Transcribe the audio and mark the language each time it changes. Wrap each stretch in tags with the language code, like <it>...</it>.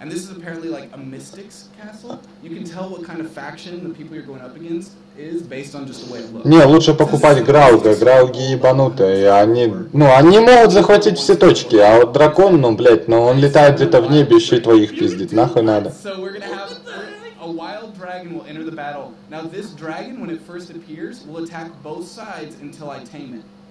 <en>And this is apparently like a mystic's castle. You can tell what kind of faction the people you're going up against is based on just the way it looks.</en> <ru>Не, лучше покупать грауга. Грауги ебанутые. Они могут захватить все точки. А вот дракон, ну, блять, он летает где-то в небе, еще и твоих пиздит. Нахуй надо.</ru> <en>So we're gonna have a wild dragon will enter the battle. Now this dragon, when it first appears, will attack both sides until I tame it.</en>